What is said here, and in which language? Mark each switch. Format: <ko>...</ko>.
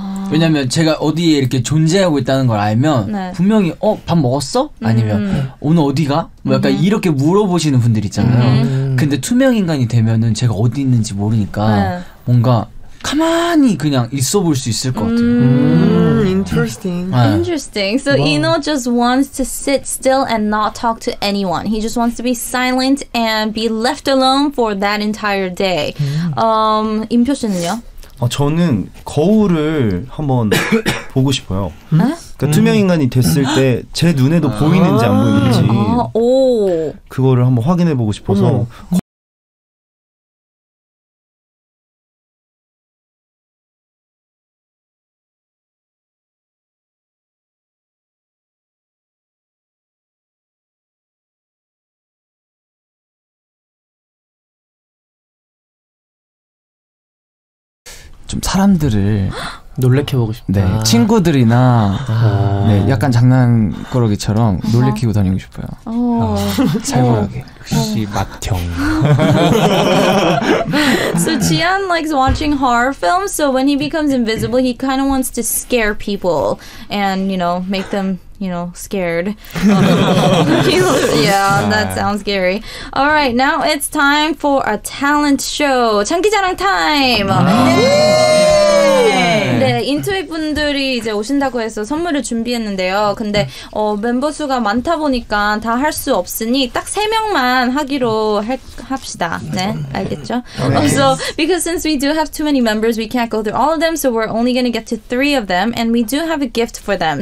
<ko>왜냐면 제가 어디에 이렇게 존재하고 있다는 걸 알면 네. 분명히 밥 먹었어? 아니면 오늘 어디가? 뭐 약간 이렇게 물어보시는 분들 있잖아요. 근데 투명 인간이 되면은 제가 어디 있는지 모르니까 네. 뭔가 가만히 그냥 있어 볼 수 있을 것 같아요.</ko> <en>Interesting. 네. Interesting. So Ino just wants to sit still and not talk to anyone. He just wants to be silent and be left alone for that entire day.</en> <ko>임표 씨는요? 저는 거울을 한번 보고 싶어요. 그러니까 투명 인간이 됐을 때 제 눈에도 보이는지 안 보이는지 그거를 한번 확인해 보고 싶어서 좀 사람들을 놀래켜 보고 싶다. 네, 친구들이나 네, 약간 장난꾸러기처럼 놀래키고 다니고 싶어요. 살벌하게. 혹시 맏형.</ko> <en>So Jian likes watching horror films. So when he becomes invisible, he kind of wants to scare people and, you know, make them, you know, scared. yeah, that sounds scary. All right, now it's time for a talent show.</en> <ko>장기자랑 time. Yay! 네, 인투잇 분들이 이제 오신다고 해서 선물을 준비했는데요. 근데 멤버 수가 많다 보니까 다 할 수 없으니 딱 세 명만 하기로 합시다. 네, 알겠죠?</ko> <en>So because since we do have too many members, we can't go through all of them. So we're only gonna get to three of them, and we do have a gift for them.</en>